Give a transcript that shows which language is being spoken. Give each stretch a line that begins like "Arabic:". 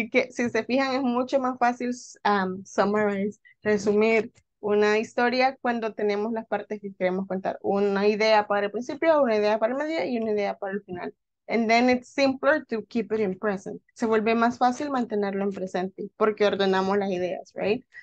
Spanish: Si se fijan, es mucho más fácil summarize, resumir una historia cuando tenemos las partes que queremos contar. Una idea para el principio, una idea para el medio y una idea para el final.
English: And then it's simpler to keep it in present.
Spanish: Se vuelve más fácil mantenerlo en presente porque ordenamos las ideas, right?